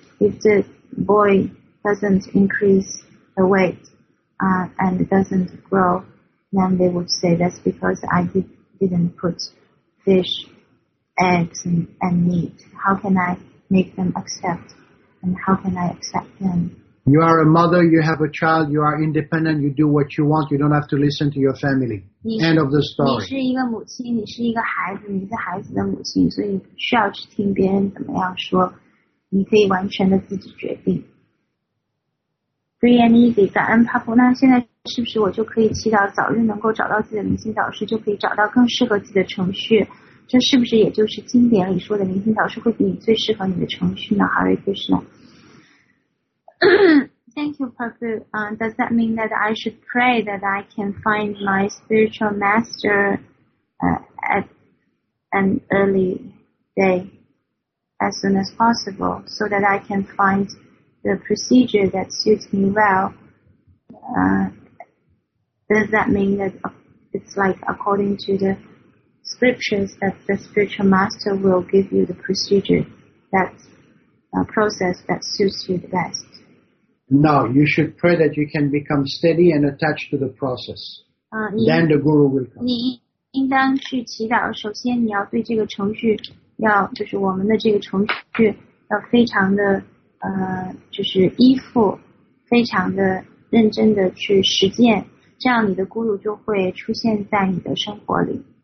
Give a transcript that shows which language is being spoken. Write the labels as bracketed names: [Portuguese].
[English] If the boy doesn't increase the weight, and doesn't grow, then they would say that's because I didn't put fish, eggs, and meat. How can I make them accept? And how can I accept them? You are a mother, you have a child, you are independent, you do what you want, you don't have to listen to your family. End of the story. [Chinese] 你是一个母亲，你是一个孩子，你是孩子的母亲，所以不需要去听别人怎么样说，你可以完全的自己决定。 [English] Free and easy, [Chinese] 感恩帕普。那现在是不是我就可以祈祷早日能够找到自己的灵性导师，就可以找到更适合自己的程序？这是不是也就是经典里说的灵性导师会比你最适合你的程序呢？ [English] Hare Krishna. Thank you, Prabhu. Does that mean that I should pray that I can find my spiritual master at an early day, as soon as possible, so that I can find the procedure that suits me well? Does that mean that it's like according to the scriptures that the spiritual master will give you the procedure, that process that suits you the best? No, you should pray that you can become steady and attached to the process. Then the guru will come. [Chinese] 你应当去祈祷。首先，你要对这个程序，要就是我们的这个程序，要非常的就是依附，非常的认真的去实践，这样你的guru就会出现在你的生活里。